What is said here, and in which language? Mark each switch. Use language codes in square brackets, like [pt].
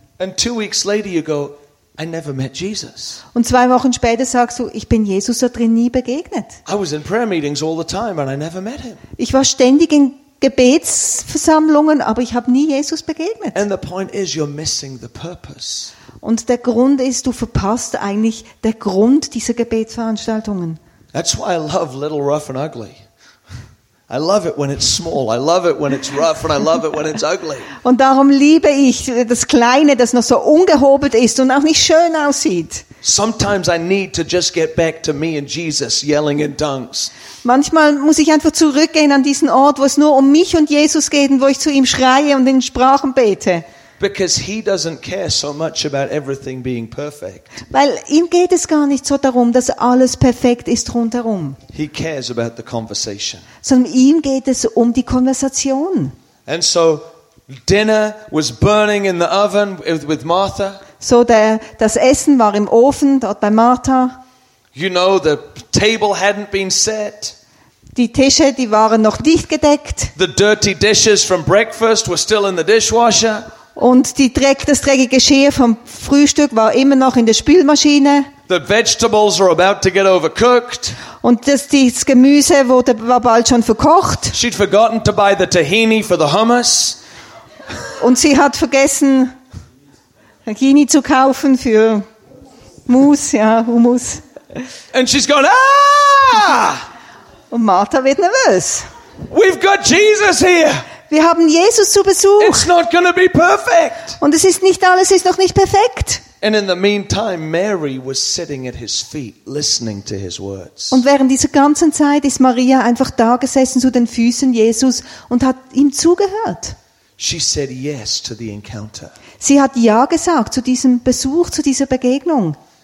[en] And 2 weeks later you go, I never met Jesus. [de] Und 2 Wochen später sagst du, ich bin Jesus da drin nie begegnet. [en] I was in prayer meetings all the time and I never met him. [de] Ich war ständig in Gebetsversammlungen, aber ich habe nie Jesus begegnet. [en] And the point is, you're missing the purpose. [de] Und der Grund ist, du verpasst eigentlich den Grund dieser Gebetsveranstaltungen. [en] That's why I love Little Rough and Ugly. I love it when it's small. I love it when it's rough and I love it when it's ugly. [de] Und darum liebe ich das Kleine, das noch so ungehobelt ist und auch nicht schön aussieht. [en] Sometimes I need to just get back to me and Jesus yelling in tongues. [de] Manchmal muss ich einfach zurückgehen an diesen Ort, wo es nur um mich und Jesus geht und wo ich zu ihm schreie und in Sprachen bete. [en] Because he doesn't care so much about everything being perfect. [de] Weil ihm geht es gar nicht so darum, dass alles perfekt ist rundherum. [en] He cares about the conversation. [de] Sondern ihm geht es um die Konversation. [en] And so dinner was burning in the oven with Martha. [de] So das Essen war im Ofen dort bei Martha. [en] You know, the table hadn't been set. [de] Die Tische, die waren noch nicht gedeckt. [en] The dirty dishes from breakfast were still in the dishwasher. [de] Und das dreckige Geschirr vom Frühstück war immer noch in der Spülmaschine. [en] The vegetables were about to get overcooked. [de] Und das Gemüse war bald schon verkocht. [en] She'd forgotten to buy the tahini for the hummus. [de] Und sie hat vergessen, tahini zu kaufen für Hummus. [en] And she's going, ah! [de] Und Martha wird nervös. [en] We've got Jesus here. [de] Wir haben Jesus zu Besuch. [en] It's not gonna be perfect. [de] Und es ist nicht alles ist noch nicht perfekt. [en] And in the meantime, Mary was sitting at his feet, listening to his words. [de] Und während dieser ganzen Zeit ist Maria einfach da gesessen zu den Füßen Jesus und hat ihm zugehört. [en] She said yes to the encounter. [de] Sie hat ja gesagt zu diesem Besuch, zu dieser Begegnung.